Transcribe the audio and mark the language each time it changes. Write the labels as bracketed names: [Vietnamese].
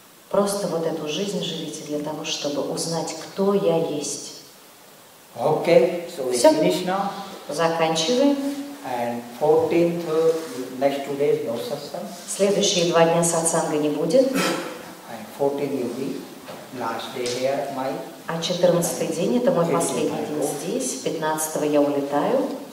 [Russian] Просто вот эту жизнь живите для того, чтобы узнать, кто я есть. [English] Okay, so we finish now. [Russian] Заканчиваем. [English] And 14th, next 2 days, no satsang. [Russian] Следующие 2 дня сатсанга не будет. [English] And 14th will be last day here, my. [Russian] А 14-й день, это мой последний день здесь. 15-го я улетаю.